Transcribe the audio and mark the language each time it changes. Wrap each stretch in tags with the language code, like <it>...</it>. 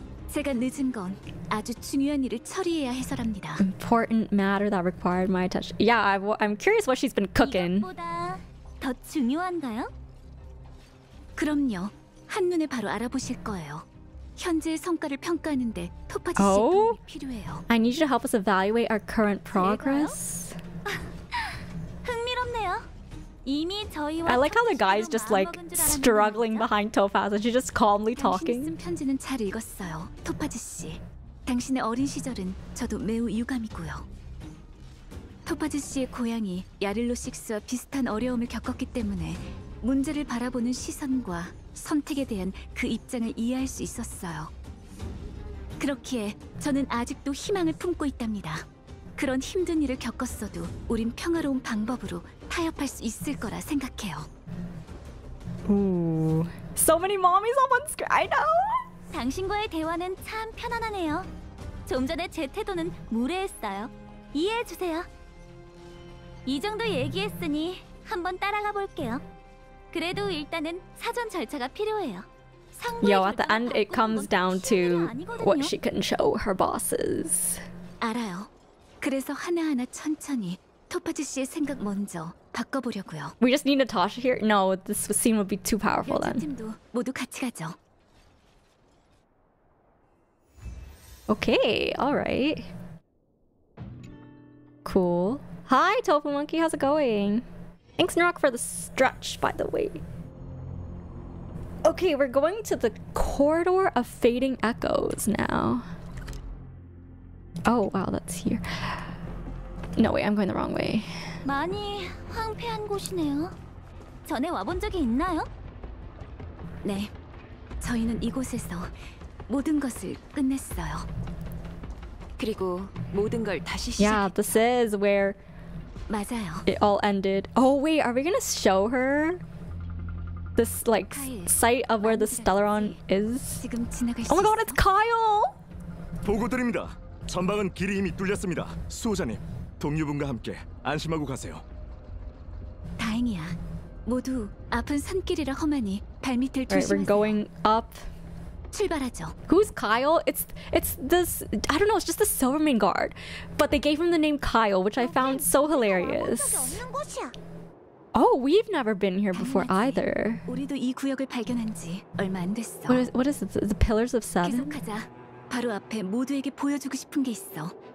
<ko>제가 늦은 건 아주 중요한 일을 처리해야 해서랍니다.</ko> <en>Important matter that required my attention. Yeah, I'm curious what she's been cooking.</en> <ko>이것보다 더 중요한가요? 그럼요. 한눈에 바로 알아보실 거예요. 현재 성과를 평가하는데 토파지 씨 도움이 필요해요.</ko> <en>I need you to help us evaluate our current progress.</en> <ko>흥미롭네요. 이미 저희와</ko> <en>I like how the guy's just like struggling behind Topaz and she's just calmly talking.</en> <ko>당신 쓴 편지는 잘 읽었어요, 토파지 씨. 당신의 어린 시절은 저도 매우 유감이고요. 토파지 씨의 고향이 야릴로 6와 비슷한 어려움을 겪었기 때문에 문제를 바라보는 시선과 선택에 대한 그 입장을 이해할 수 있었어요. 그렇기에 저는 아직도 희망을 품고 있답니다. 그런 힘든 일을 겪었어도 우린 평화로운 방법으로 타협할 수 있을 거라 생각해요. Ooh.</ko> <en>So many mommies on one screen. I know.</en> <ko>당신과의 대화는 참 편안하네요. 좀 전에 제 태도는 무례했어요. 이해해 주세요. 이 정도 얘기했으니 한번 따라가 볼게요. 그래도 일단은 사전 절차가 필요해요.</ko> <en>Yo, at the end, it comes down to what she can show her bosses.</en> <ko>알아요. 그래서 하나하나 천천히 토파즈 씨의 생각 먼저 바꿔보려고요.</ko> <en>We just need Natasha here? No, this scene would be too powerful then.</en> <ko>팀도 모두 같이 가죠.</ko> <en>Okay, all right. Cool. Hi, Tofu Monkey. How's it going? Thanks, Narok, for the stretch, by the way. Okay, we're going to the Corridor of Fading Echoes now. Oh, wow, that's here. No way, I'm going the wrong way.</en> <ko>많이 황폐한 곳이네요. 전에 와본 적이 있나요? 네, 저희는 이곳에서 모든 것을 끝냈어요. 그리고 모든 걸 다시 시작했어요.</ko> <en>Yeah, this is where...</en> <ko>맞아요.</ko> <en>It all ended. Oh wait, are we gonna show her this like site of where the Stellaron is?</en> <ko>지금 지나갈 수 있어?</ko> <en>Oh my god, it's Kyle!</en> <ko>보고 드립니다. 전방은 길이 이미 뚫렸습니다. 수호자님, 동료분과 함께 안심하고 가세요. 다행이야. 모두 아픈 산길이라 험하니 발밑을 조심하세요.</ko> <en>We're going up.</en> <ko>출발하죠.</ko> <en>Who's Kyle? It's this. I don't know. It's just the Silvermane guard, but they gave him the name Kyle, which I found so hilarious. Oh, we've never been here before either.</en> <ko>우리도 이 구역을 발견한 지 얼마 안 됐어.</ko> <en>What is it? The Pillars of Seven.</en> <ko>계속하자. 바로 앞에 모두에게 보여주고 싶은 게 있어.</ko>